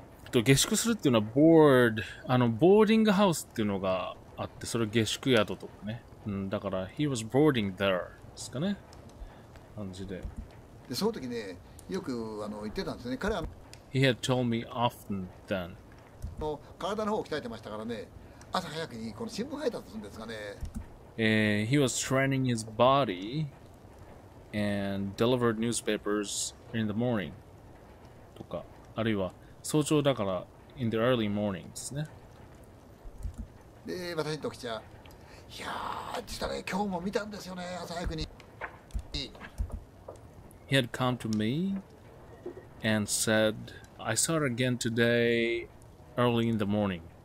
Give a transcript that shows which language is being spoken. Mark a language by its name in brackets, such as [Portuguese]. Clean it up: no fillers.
[Japanese] と下宿するっていうのはボーディングハウスっていうのがあって、それ下宿宿とかね、うん、だから [English] he was boarding there [Japanese] ですかね、感じで。でその時ね、よく言ってたんですね、彼は [English] he had told me often then [Japanese] 体の方を鍛えてましたからね、朝早くにこの新聞配達するんですがね、 [English] he was training his body and delivered newspapers in the morning [Japanese] とか、あるいは早朝だから [English] in the early morning [Japanese] ですね。で私の時じゃ、いやー実はね今日も見たんですよね朝早くに。 [English] He had come to me and said, I saw her again today early in the morning.